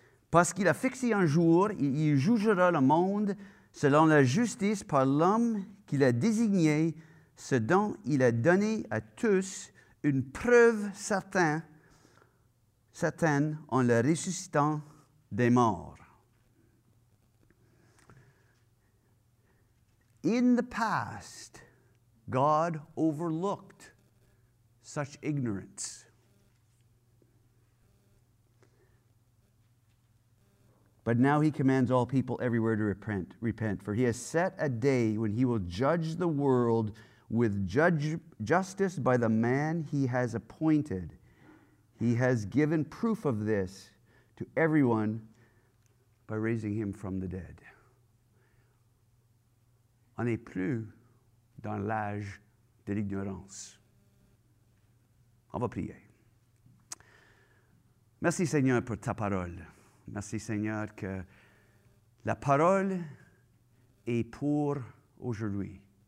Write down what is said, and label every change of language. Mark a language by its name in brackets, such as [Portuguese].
[French] Parce qu'il a fixé un jour, il jugera le monde selon la justice par l'homme qu'il a désigné, ce dont il a donné à tous une preuve certaine en le ressuscitant des morts. [English] In the past, God overlooked such ignorance. But now he commands all people everywhere to repent, for he has set a day when he will judge the world with justice by the man he has appointed. He has given proof of this to everyone by raising him from the dead. [French] On n'est plus dans l'âge de l'ignorance. On va prier. Merci Seigneur pour ta parole. Merci Seigneur que la parole est pour aujourd'hui.